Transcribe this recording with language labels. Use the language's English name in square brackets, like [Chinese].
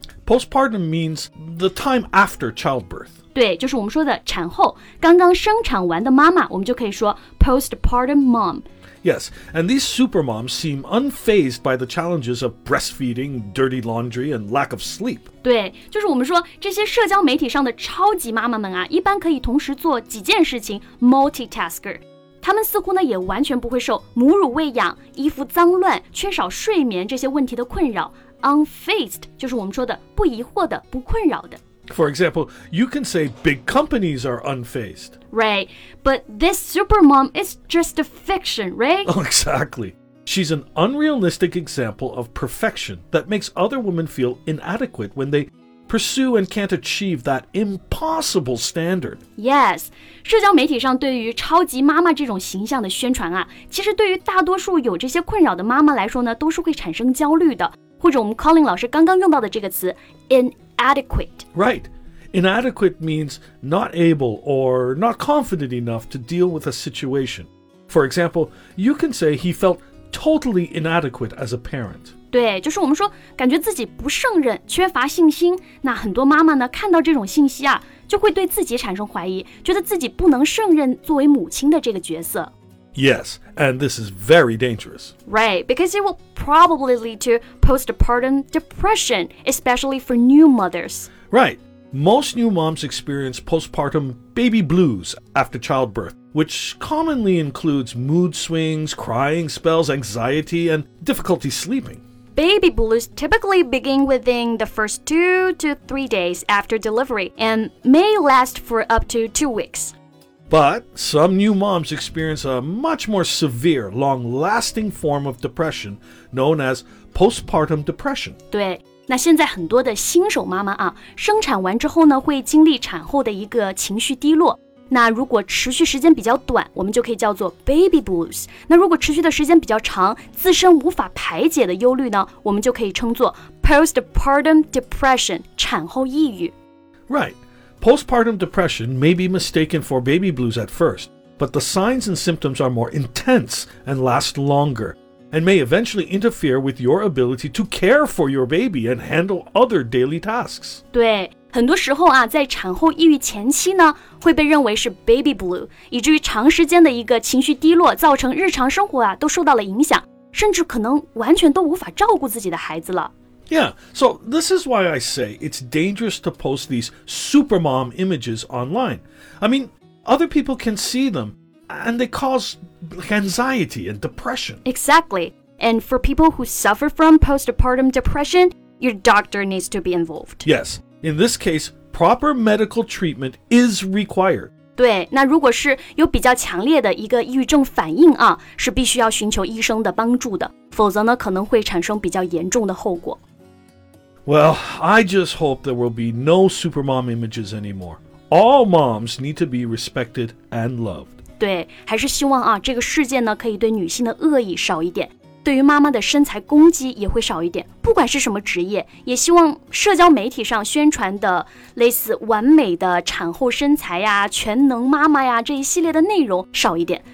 [English] Postpartum means the time after childbirth. [Chinese] 对，就是我们说的产后，刚刚生产完的妈妈，我们就可以说 postpartum mom. [English] Yes, and these supermoms seem unfazed by the challenges of breastfeeding, dirty laundry, and lack of sleep. [Chinese] 对，就是我们说这些社交媒体上的超级妈妈们啊，一般可以同时做几件事情 ，multitasker。她们似乎呢也完全不会受母乳喂养、衣服脏乱、缺少睡眠这些问题的困扰。 Unfazed 就是我们说的不疑惑的、不困扰的。 [English] For example, you can say big companies are unfazed. Right, but this supermom is just a fiction, right? Oh, exactly. She's an unrealistic example of perfection that makes other women feel inadequate when they pursue and can't achieve that impossible standard. [Chinese] Yes, 社交媒体上对于超级妈妈这种形象的宣传啊，其实对于大多数有这些困扰的妈妈来说呢，都是会产生焦虑的。或者我们 Colin 老师刚刚用到的这个词 inadequate. [English] Right. Inadequate means not able or not confident enough to deal with a situation. For example, you can say he felt totally inadequate as a parent. [Chinese] 对，就是我们说感觉自己不胜任，缺乏信心。那很多妈妈呢，看到这种信息啊，就会对自己产生怀疑，觉得自己不能胜任作为母亲的这个角色。 [English] Yes, and this is very dangerous. Right, because it will probably lead to postpartum depression, especially for new mothers. Right. Most new moms experience postpartum baby blues after childbirth, which commonly includes mood swings, crying spells, anxiety, and difficulty sleeping. Baby blues typically begin within the first 2 to 3 days after delivery and may last for up to 2 weeks. But some new moms experience a much more severe, long-lasting form of depression known as postpartum depression. [Chinese] 对，那现在很多的新手妈妈啊，生产完之后呢，会经历产后的一个情绪低落。那如果持续时间比较短，我们就可以叫做 baby blues。那如果持续的时间比较长，自身无法排解的忧虑呢，我们就可以称作 postpartum depression, 产后抑郁。 [English] Right. Postpartum depression may be mistaken for baby blues at first, but the signs and symptoms are more intense and last longer, and may eventually interfere with your ability to care for your baby and handle other daily tasks. [Chinese] 对，很多时候啊，在产后抑郁前期呢，会被认为是 baby blue, 以至于长时间的一个情绪低落，造成日常生活啊，都受到了影响，甚至可能完全都无法照顾自己的孩子了。 [English] Yeah, so this is why I say it's dangerous to post these supermom images online. I mean, other people can see them, and they cause anxiety and depression. Exactly. And for people who suffer from postpartum depression, your doctor needs to be involved. Yes. In this case, proper medical treatment is required. [Chinese] 对，那如果是有比较强烈的一个抑郁症反应啊，是必须要寻求医生的帮助的，否则呢，可能会产生比较严重的后果。 [English] Well, I just hope there will be no supermom images anymore. All moms need to be respected and loved. [Chinese] 对，还是希望啊，这个世界呢，可以对女性的恶意少一点，对于妈妈的身材攻击也会少一点。不管是什么职业，也希望社交媒体上宣传的类似完美的产后身材呀、全能妈妈呀这一系列的内容少一点。